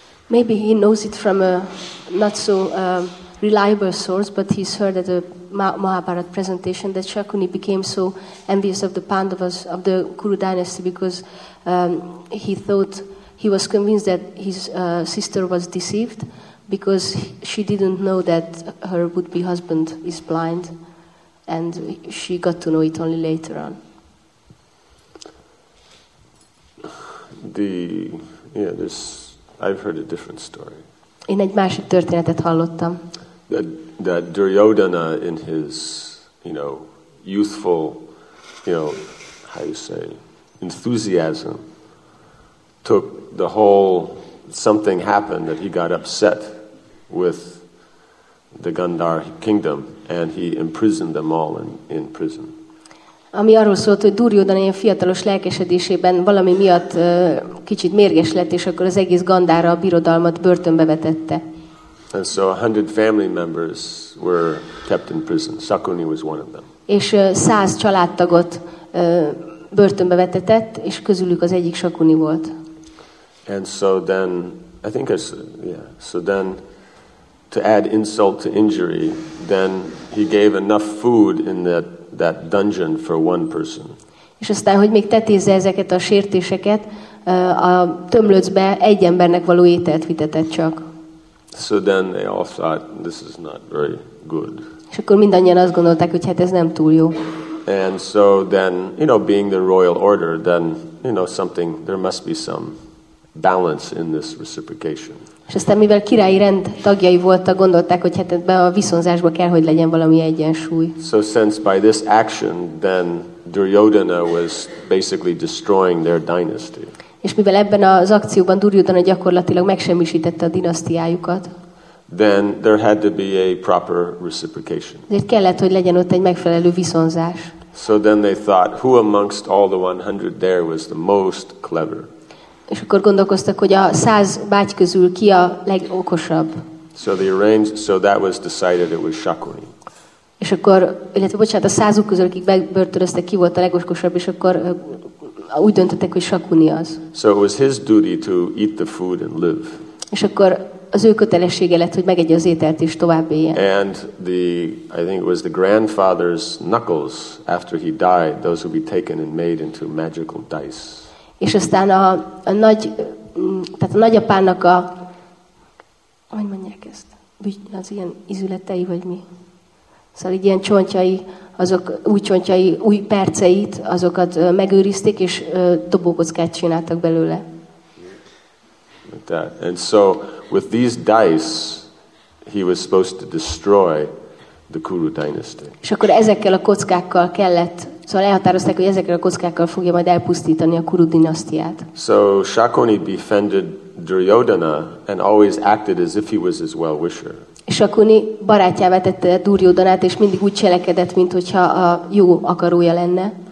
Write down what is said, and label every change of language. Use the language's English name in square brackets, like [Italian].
[English] Maybe he knows it from a not so reliable source, but he's heard at a Mahabharata presentation that Shakuni became so envious of the Pandavas, of the Kuru dynasty, because he thought, he was convinced that his sister was deceived because she didn't know that her would-be husband is blind, and she got to know it only later on. the yeah, this I've heard a different story. [Hungarian] Én egy másik történetet hallottam. [English] That Duryodhana in his, you know, youthful, you know, how you say, enthusiasm, took the whole, something happened that he got upset with the Gandhar kingdom and he imprisoned them all in prison. [Hungarian] Ami arról szólt, hogy Duryodhana ilyen fiatalos lelkesedésében valami miatt kicsit mérges lett, és akkor az egész Gandhara a birodalmat börtönbe vetette. [English] And so 100 family members were kept in prison. Shakuni was one of them. [Hungarian] És 100 családtagot börtönbe vetetett, és közülük az egyik Shakuni volt. [English] And so then, I think it's, yeah, so then to add insult to injury, then he gave enough food in that dungeon for one person. [Hungarian] És aztán, hogy még tetézze ezeket a sértéseket, a tömlöcbe egy embernek való ételt vitetett csak. [English] So then they all thought this is not very good. [Hungarian] És akkor mindannyian azt gondolták, hogy hát ez nem túl jó. [English] And so then, you know, being the royal order, then, you know, something, there must be some balance in this reciprocation. [Hungarian] És aztán, mivel királyi rend tagjai voltak, gondolták, hogy hát ebben a viszonzásban kell, hogy legyen valami egyensúly. [English] So since by this action, then Duryodhana was basically destroying their dynasty. [Hungarian] És mivel ebben az akcióban Duryodhana gyakorlatilag megsemmisítette a dinasztiájukat, [English] then there had to be a proper reciprocation. [Hungarian] Ezért kellett, hogy legyen ott egy megfelelő viszonzás. [English] So then they thought, who amongst all the 100 there was the most clever? [Hungarian] És akkor gondolkoztak, hogy a 100 báty közül ki a legokosabb. [English] So they arranged, so that was decided it was Shakuni. [Hungarian] És akkor, illetve bocsánat, a 100 közül, akik megbörtönöztek, ki volt a legokosabb, és akkor úgy döntöttek, hogy Shakuni az. [English] So it was his duty to eat the food and live. [Hungarian] És akkor az ő kötelessége lett, hogy megegye az ételt és tovább éljen. [English] And the, I think it was the grandfather's knuckles, after he died, those would be taken and made into magical dice. [Hungarian] És aztán a nagy, tehát a nagyapának a, hogy mondják ezt, az ilyen ízületei, vagy mi? Szóval így ilyen csontjai, azok új csontjai, új perceit, azokat megőrizték, és dobókockát csináltak belőle. [English] Like that. And so, with these dice, he was supposed to destroy the Kuru dynasty. [Hungarian] És akkor ezekkel a kockákkal kellett, szóval elhatározták, hogy ezekkel a kockákkal fogja majd elpusztítani a Kuru dinasztiát. [English] So Shakuni befriended Duryodhana and always acted as if he was his well-wisher. [Hungarian] És Shakuni barátjává tette Duryodhanát, és mindig úgy cselekedett, mint hogyha a jó akarója lenne.